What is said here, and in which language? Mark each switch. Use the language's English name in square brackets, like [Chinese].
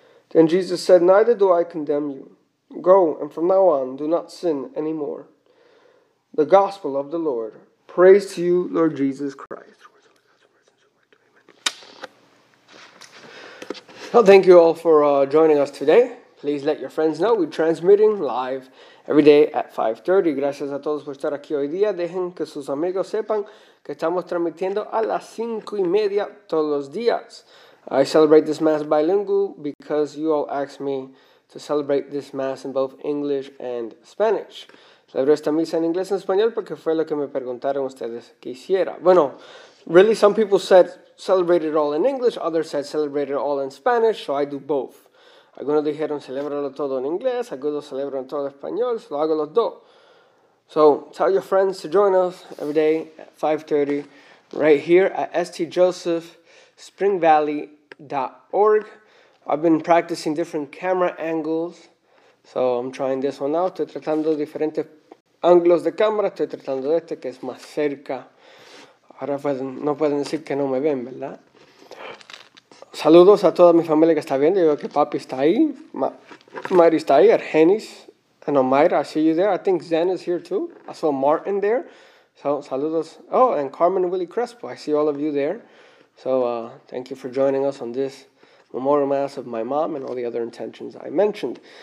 [English] Then Jesus said, "Neither do I condemn you. Go, and from now on, do not sin any more." The Gospel of the Lord. Praise to you, Lord Jesus Christ. Well, thank you all for joining us today. Please let your friends know we're transmitting live every day at 5:30. [Spanish] Gracias a todos por estar aquí hoy día. Dejen que sus amigos sepan que estamos transmitiendo a las 5:30 todos los días. [English] I celebrate this Mass bilingual because you all asked me to celebrate this Mass in both English and Spanish. [Spanish] Celebro esta misa en inglés y en español porque fue lo que me preguntaron ustedes que hiciera. [English] Bueno, really, some people said celebrate it all in English. Others said celebrate it all in Spanish, so I do both. [Spanish] Algunos dijeron celebrarlo todo en inglés, algunos celebran todo en español, so lo hago los dos. [English] So tell your friends to join us every day at 5:30 right here at stjosephspringvalley.org. I've been practicing different camera angles. So I'm trying this one out. [Spanish] Estoy tratando diferentes ángulos de cámara. Estoy tratando de este que es más cerca. Ahora pueden, no pueden decir que no me ven, ¿verdad? Saludos a toda mi familia que está viendo. Yo veo que papi está ahí. Mari está ahí. Argenis. [English] And Omaira, I see you there. I think Zen is here too. I saw Martin there. So, saludos. Oh, and Carmen Willie Crespo. I see all of you there. So, thank you for joining us on this Memorial Mass of my mom and all the other intentions I mentioned.